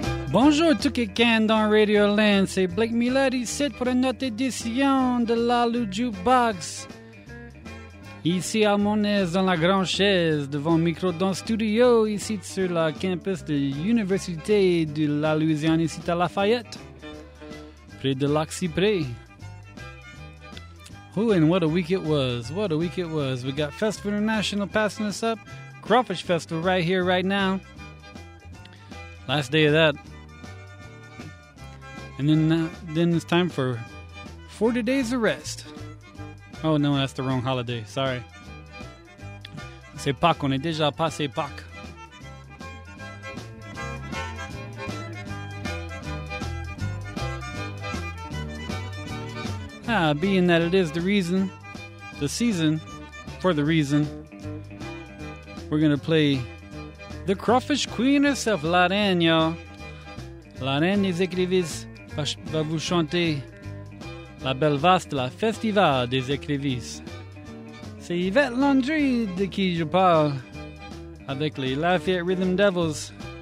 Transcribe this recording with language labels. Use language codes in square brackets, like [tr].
[fr] Bonjour tout quelqu'un dans Radio Land, c'est Blake Miller ici pour une autre édition de la Luju Box. Ici à mon aise dans la grande chaise devant le micro dans le studio ici sur le campus de l'Université de la Louisiane ici à Lafayette, près de l'Axipré. [en] Oh, and what a week it was, We got Festival International passing us up, Crawfish Festival right here, right now. Last day of that. And then it's time for 40 days of rest. Oh, no, that's the wrong holiday. Sorry. [fr] C'est Pâques. On est déjà passé Pâques. [en] Ah, being that it is the season, we're going to play the Crawfish Queen herself, La Reine, y'all. [fr] La Reine des Écrivises. Va vous chanter la belle vaste, la festival des écrivises. C'est Yvette Landry de qui je parle avec les Lafayette Rhythm Devils.